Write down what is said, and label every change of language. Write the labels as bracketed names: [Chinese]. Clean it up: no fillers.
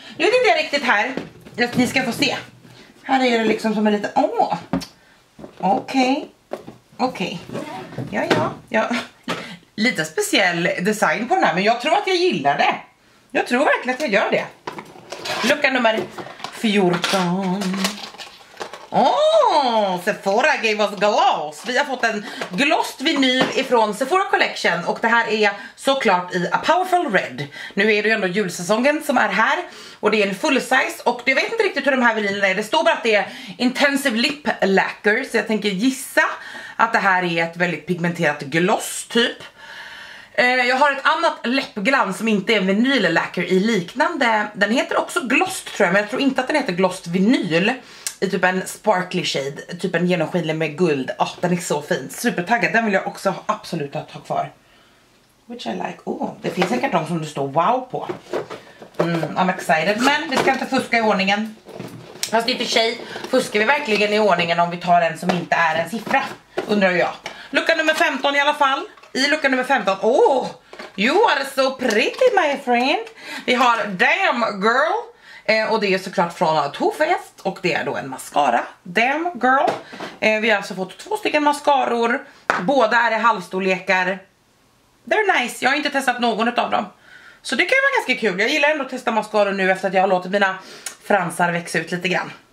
[Swedish] Nu är det inte riktigt här, att ni ska få se. Här är det liksom som en liten, åh. Okej. Okay. Okej. Okay. Ja, ja, ja. Lite speciell design på den här, men jag tror att jag gillar det. Jag tror verkligen att jag gör det. Lucka nummer 14. [English] Åh, Sephora gave us gloss. [Swedish] Vi har fått en glossed vinyl ifrån Sephora Collection. Och det här är såklart i A Powerful Red. Nu är det ju ändå julsäsongen som är här. Och det är en full size. Och jag vet inte riktigt hur de här vinylerna är. Det står bara att det är intensive lip lacquer. Så jag tänker gissa att det här är ett väldigt pigmenterat gloss typ. Jag har ett annat läppglans som inte är vinyl lacquer i liknande. Den heter också glossed tror jag, men jag tror inte att den heter glossed vinyl. I typ en sparkly shade, typ en genomskinlig med guld. Åh, den är så fin. Supertaggad, den vill jag också absolut ha tag kvar. [English] Which I like. [Swedish] Oh, det finns en kartong som du står wow på. Mm, [English] I'm excited, [Swedish] men vi ska inte fuska i ordningen. Fast det är för sig, fuskar vi verkligen i ordningen om vi tar en som inte är en siffra? Undrar jag. Lucka nummer 15 i alla fall. I lucka nummer 15, [English] oh, you are so pretty my friend. [Swedish] Vi har Damn Girl. Och det är såklart från Too Faced, och det är då en mascara, Damn Girl. Vi har alltså fått två stycken mascaror, båda är i halvstorlekar. [English] They're nice, [Swedish] jag har inte testat någon av dem. Så det kan ju vara ganska kul, jag gillar ändå att testa mascaror nu efter att jag har låtit mina fransar växa ut lite grann.